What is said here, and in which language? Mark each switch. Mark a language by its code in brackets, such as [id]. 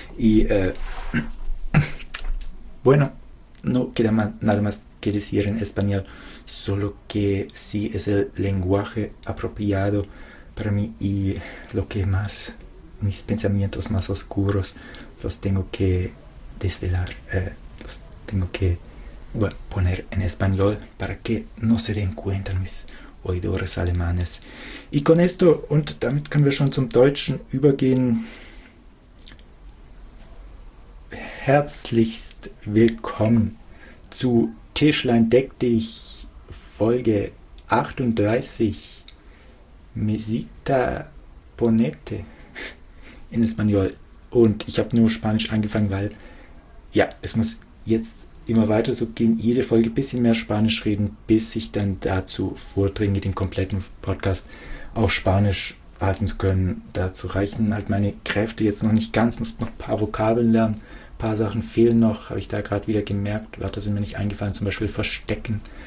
[es] Y bueno, no queda nada más que decir en español, solo que sí es el lenguaje apropiado para mí y lo que más, mis pensamientos más oscuros los tengo que desvelar, los tengo que, bueno, poner en español para que no se den cuenta mis oidores alemanes. Y con esto, [de] und damit können wir schon zum Deutschen übergehen. Herzlichst willkommen zu Tischlein deck dich, Folge 38. [es] Mesita Ponete in Español. [de] Und ich habe nur Spanisch angefangen, weil ja, es muss jetzt immer weiter so gehen, jede Folge ein bisschen mehr Spanisch reden, bis ich dann dazu vordringe, den kompletten Podcast auf Spanisch halten zu können. Dazu reichen halt meine Kräfte jetzt noch nicht ganz, muss noch ein paar Vokabeln lernen, ein paar Sachen fehlen noch, habe ich da gerade wieder gemerkt, Wörter sind mir nicht eingefallen, zum Beispiel verstecken.